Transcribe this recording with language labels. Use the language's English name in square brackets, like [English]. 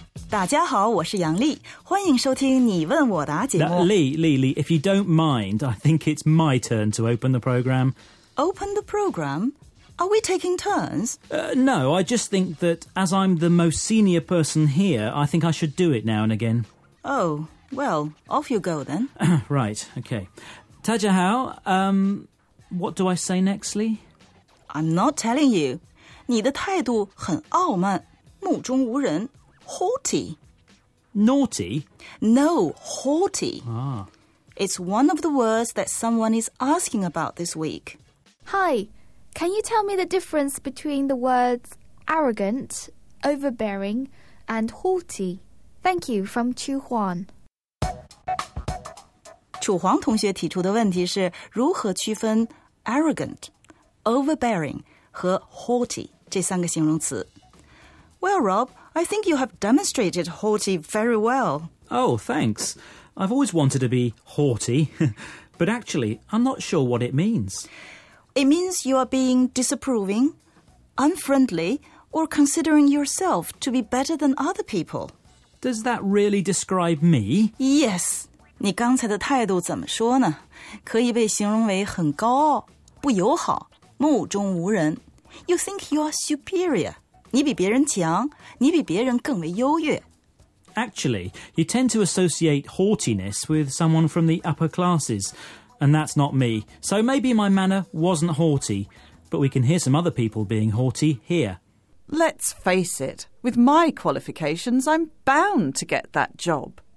[Chinese] 大家好，我是杨丽，欢迎收听你问我答节目。 [English] 丽 if you don't mind, I think it's my turn to open the program. Open the program? Are we taking turns? No, I just think that as I'm the most senior person here, I think I should do it now and again. Oh, well, off you go then. Right, okay. [Chinese] Tajahao, [English] what do I say next, Lee? I'm not telling you. [Chinese] 你的态度很傲慢，目中无人。 [English] Haughty. Naughty? No, haughty. Ah. It's one of the words that someone is asking about this week. Hi, can you tell me the difference between the words arrogant, overbearing, and haughty? Thank you, from Chu Huan. [Chinese] Chu Huan 同学提出的问题是如何区分 [English] arrogant, overbearing [Chinese] 和 [English] haughty [Chinese] 这三个形容词。 [English] Well, Rob, I think you have demonstrated haughty very well. Oh, thanks. I've always wanted to be haughty, but actually, I'm not sure what it means. It means you are being disapproving, unfriendly, or considering yourself to be better than other people. Does that really describe me? Yes. [Chinese] 你刚才的态度怎么说呢？可以被形容为很高傲、不友好、目中无人。 [English] You think you are superior. [Chinese] 你比别人强，你比别人更为优越。 [English] Actually, you tend to associate haughtiness with someone from the upper classes, and that's not me. So maybe my manner wasn't haughty, but we can hear some other people being haughty here. Let's face it, with my qualifications, I'm bound to get that job.